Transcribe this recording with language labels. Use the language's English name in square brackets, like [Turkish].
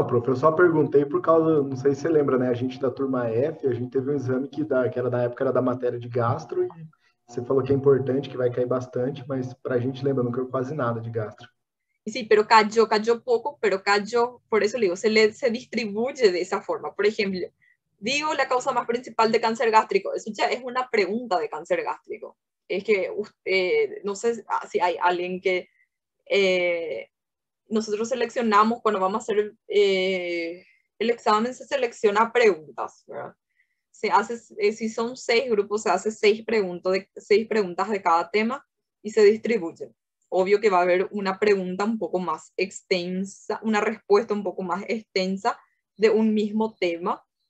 [Portuguese] Não, prof, eu só perguntei por causa, não sei se você lembra, né? A gente da turma F, a gente teve um exame que era da época, era da matéria de gastro, e você falou que é importante, que vai cair bastante, mas pra gente lembra, não caiu quase nada de gastro. Sim, [Spanish] pero cayó, cayó [Portuguese] pouco, [Spanish] pero cayó, [Portuguese] por isso eu digo, se distribui dessa forma. Por exemplo, digo a causa mais principal de câncer gástrico, isso já é uma pergunta de câncer gástrico. É que, não sei se há alguém que... [Spanish] nosotros seleccionamos, cuando vamos a hacer el examen, se selecciona preguntas, ¿verdad? Se hace, si son seis grupos, se hace seis preguntas de cada tema y se distribuyen. Obvio que va a haber una pregunta un poco más extensa, una respuesta un poco más extensa de un mismo tema.